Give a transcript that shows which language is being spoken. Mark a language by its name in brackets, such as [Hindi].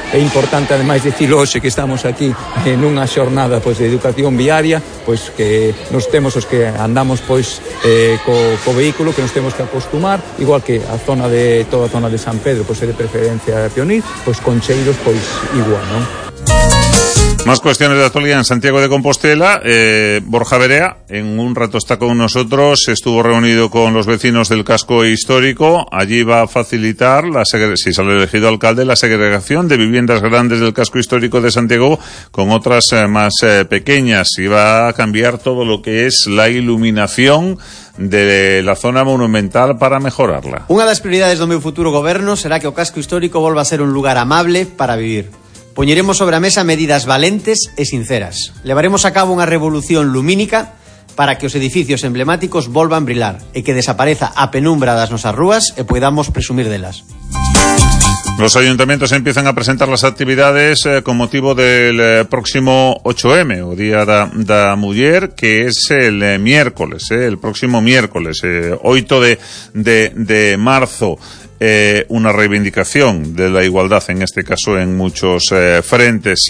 [Galician] É importante, ademais, dicir hoxe que estamos aquí en unha xornada, pois, de educación viaria, pois que nos temos os que andamos, pois, co vehículo, que nos temos que acostumar, igual que a zona de toda a zona de San Pedro, pois, é de preferencia pioneira, pois Concheiros, pois, igual, non? [Spanish] Más cuestiones de actualidad en Santiago de Compostela. Borja Berea, en un rato está con nosotros, estuvo reunido con los vecinos del casco histórico. Allí va a facilitar, si sale elegido alcalde, la segregación de viviendas grandes del casco histórico de Santiago con otras más pequeñas. Y va a cambiar todo lo que es la iluminación de la zona monumental para mejorarla. Una de las prioridades de mi futuro gobierno será que el casco histórico vuelva a ser un lugar amable para vivir. [Galician] Poñeremos sobre a mesa medidas valentes e sinceras. Levaremos a cabo unha revolución lumínica para que os edificios emblemáticos volvan a brilar e que desapareza a penumbra das nosas rúas e poidamos presumir delas. [Spanish] Los ayuntamientos empiezan a presentar las actividades con motivo del próximo 8M, o Día da Muller, que es el miércoles, el próximo miércoles, 8 de marzo. Una reivindicación de la igualdad, en este caso en muchos frentes.